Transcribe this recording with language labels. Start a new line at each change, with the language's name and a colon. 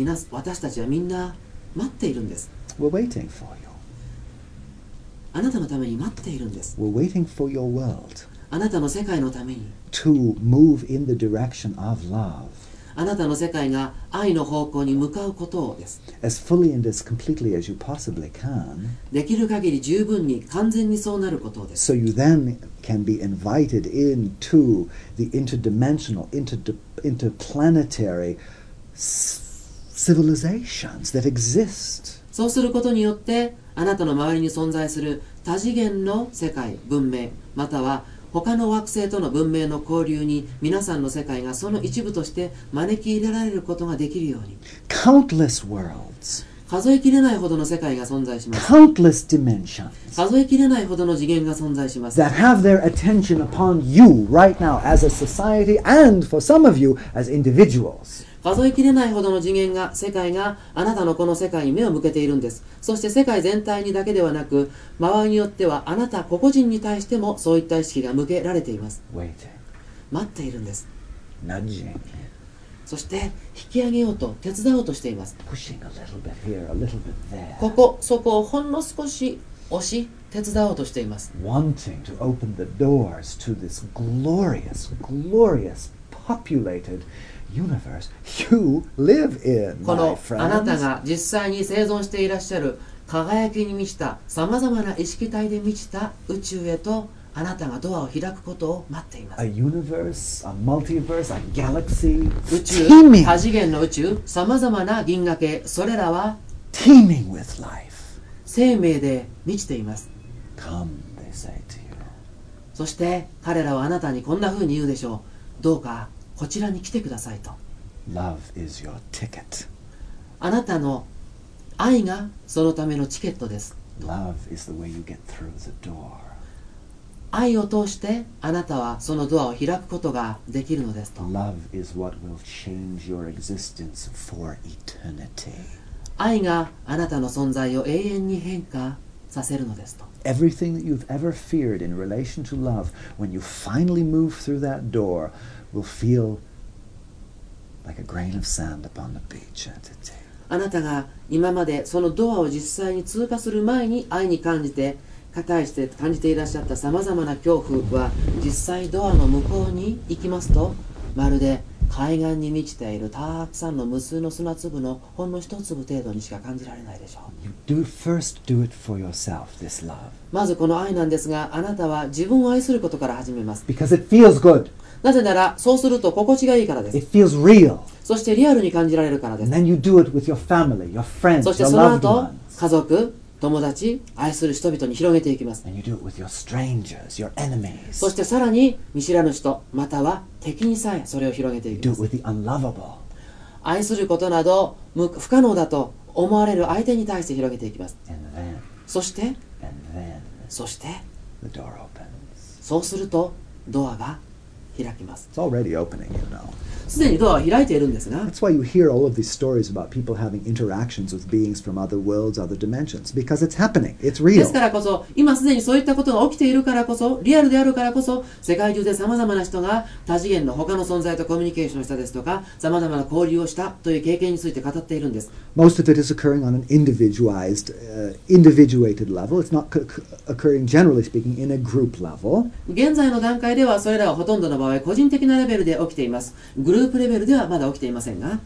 Japanese: 私たちはみんな待っているんです。
English: We're waiting for you.
Japanese: あなたのために待っているんです。
English: We're waiting for your world.
Japanese: あなたの世界のために
English: to move in the direction of love.
Japanese: あなたの世界が愛の方向に向かうことをです。
English: As fully and as completely as you possibly can.
Japanese: できる限り十分に完全にそうなることをです。
English: So you then can be invited into the interdimensional, interplanetary civilizations that exist.
Japanese: そうすることによってあなたの周りに存在する多次元の世界、文明、または他の惑星との文明の交流に皆さんの世界がその一部として招き入れられることができるように。
English: Countless worlds.
Japanese: 数えきれないほどの世界が存在します。
English: Countless dimensions.
Japanese: 数えきれないほどの次元が存在します。
English: That have their attention upon you right now as a society and for some of you as individuals.
Japanese: 数えきれないほどの次元が世界があなたのこの世界に目を向けているんです。そして世界全体にだけではなく、周りによってはあなた個々人に対してもそういった意識が向けられています。
English: Waiting.
Japanese: 待っているんです。
English: Nudging.
Japanese: そして引き上げようと手伝おうとしています。
English: Pushing a little bit here, a little bit there.
Japanese: ここ、そこをほんの少し押し、手伝おうとしています。
English: Wanting to open the doors to this glorious, glorious, populated universe you live in, my friends.
Japanese: このあなたが実際に生存していらっしゃる輝きに満ちた様々な意識体で満ちた宇宙へとあなたがドアを開くことを待っています。
English: A universe, a multiverse, a galaxy,
Japanese: 宇宙、多次元の宇宙、様々な銀河系、それらは
English: teeming with life.
Japanese: 生命で満ちています。
English: Come, they say to you.
Japanese: そして彼らはあなたにこんな風に言うでしょう。どうかこちらに来てくださいと。
English: Love is your ticket.
Japanese: あなたの愛がそのためのチケットです。
English: Love is the way you get through the door.
Japanese: 愛を通してあなたはそのドアを開くことができるのですと。
English: Love is what will change your existence for eternity.
Japanese: 愛があなたの存在を永遠に変化させるのですと。
English: Everything that you've ever feared in relation to love, when you finally move through that door, will feel like a grain of sand upon the beach at the day.
Japanese: あなたが今までそのドアを実際に通過する前に愛に感じて硬いして感じていらっしゃったさまざまな恐怖は実際ドアの向こうに行きますとまるで海岸に満ちているたくさんの無数の砂粒のほんの一粒程度にしか感じられないでしょう。
English: You do first do it for yourself, this love.
Japanese: まずこの愛なんですがあなたは自分を愛することから始めます。
English: Because it feels good.
Japanese: なぜならそうすると心地がいいからです。
English: It feels real.
Japanese: そしてリアルに感じられるからです。
English: And then you do it with your family, your friends,
Japanese: そしてその後家族友達、愛する人々に広げていきます。
English: And you do it with your strangers, your enemies.
Japanese: そしてさらに見知らぬ人、または敵にさえそれを広げていきます。
English: You do it with the unlovable.
Japanese: 愛することなど不可能だと思われる相手に対して広げていきます。
English: And then,
Japanese: そして、
English: and then,
Japanese: そして
English: the door opens.
Japanese: そうするとドアが開きます。
English: It's already opening, you know.
Japanese: すでにドアは開いているんですが。
English: That's why you hear all of these stories about people having interactions with beings from other worlds, other dimensions, because it's happening. It's real.
Japanese: ですからこそ、今すでにそういったことが起きているからこそ、リアルであるからこそ、世界中でさまざまな人が多次元の他の存在とコミュニケーションしたですとか、さまざまな交流をしたという経験について語っているんです。
English: Most of it is occurring on an individualized, individuated level. It's not occurring generally speaking in a group level.
Japanese: 現在の段階ではそれらはほとんどの場合個人的なレベルで起きています。グループレベルではまだ起きていませんが。